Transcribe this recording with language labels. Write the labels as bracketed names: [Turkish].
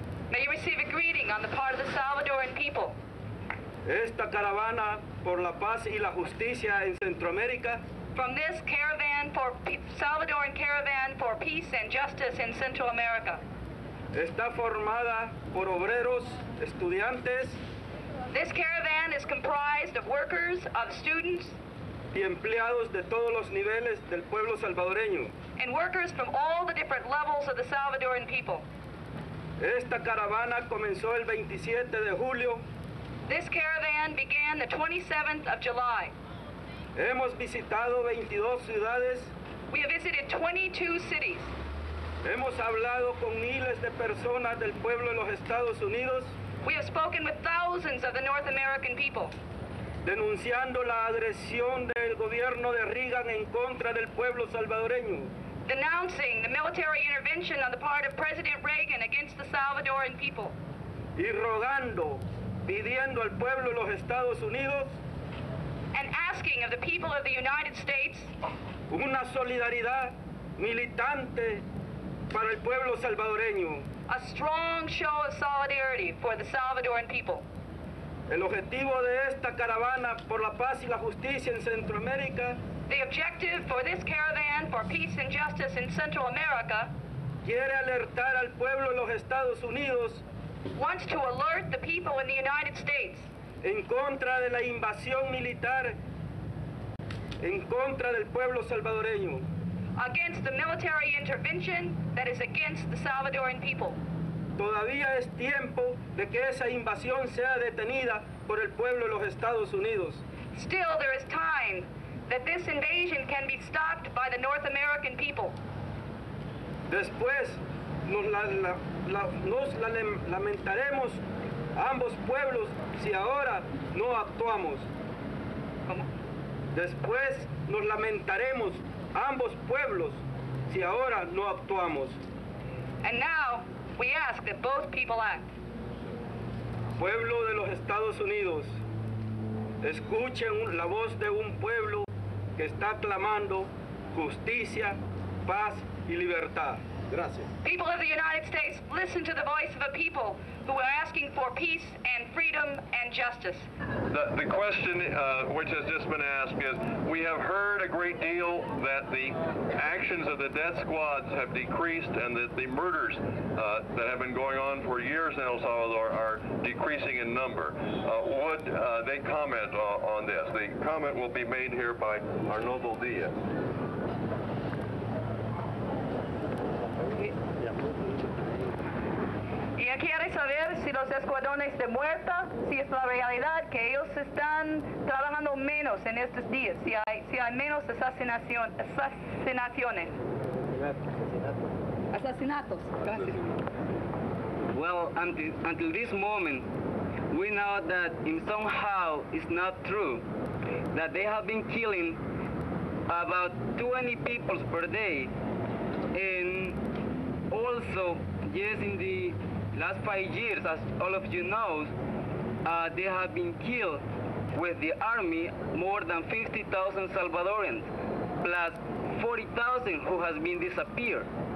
[English] May you receive a greeting on the part of the Salvadoran people. [Spanish] Esta caravana por la paz y la justicia en Centroamérica. [English] From this caravan for Salvadoran caravan for peace and justice in Central America. [Spanish] Está formada por obreros, estudiantes. [English] This caravan is comprised of workers, of students. [Spanish] Y empleados de todos los niveles del pueblo salvadoreño. [English] And workers from all the different levels of the Salvadoran people. [Spanish] Esta caravana comenzó el 27 de julio. [English] This caravan began the 27th of July. [Spanish] Hemos visitado 22 ciudades. [English] We have visited 22 cities. [Spanish] Hemos hablado con miles de personas del pueblo de los Estados Unidos. [English] We have spoken with thousands of the North American people. [Spanish] Denunciando la agresión del gobierno de Reagan en contra del pueblo salvadoreño. [English] Denouncing the military intervention on the part of President Reagan against the Salvadoran people. [Spanish] Y rogando, pidiendo al pueblo de los Estados Unidos. [English] And asking of the people of the United States. [Spanish] Una solidaridad militante para el pueblo salvadoreño. [English] A strong show of solidarity for the Salvadoran people. [Spanish] El objetivo de esta caravana por la paz y la justicia en Centroamérica. [English] The objective for this caravan for peace and justice in Central America. [Spanish] Quiere alertar al pueblo de los Estados Unidos. [English] Wants to alert the people in the United States. [Spanish] En contra de la invasión militar. En contra del pueblo salvadoreño. [English] Against the military intervention that is against the Salvadoran people. [Spanish] Todavía es tiempo de que esa invasión sea detenida por el pueblo de los Estados Unidos. [English] Still, there is time that this invasion can be stopped by the North American people. [Spanish] Después, nos lamentaremos ambos pueblos si ahora no actuamos. Después, nos lamentaremos ambos pueblos si ahora no actuamos. [English] And now, we ask that both people act. [Spanish] Pueblo de los Estados Unidos, escuchen la voz de un pueblo que está clamando justicia, paz y libertad. Gracias. [English] People of the United States, listen to the voice of a people who are asking for peace and freedom and justice. The question which has just been asked is, we have heard a great deal that the actions of the death squads have decreased and that the murders that have been going on for years in El Salvador are decreasing in number. Would they comment on this? The comment will be made here by Arnoldo Diaz. [Spanish] Ella quiere saber si los escuadrones de muerte, si es la realidad que ellos están trabajando menos en estos días, si hay menos asesinaciones. Asesinatos. Gracias. [English] Well, until this moment, we know that in somehow it's not true that they have been killing about 20 people per day, and also yes, in the last 5 years, as all of you know, they have been killed with the army more than 50,000 Salvadorans, plus 40,000 who has been disappeared.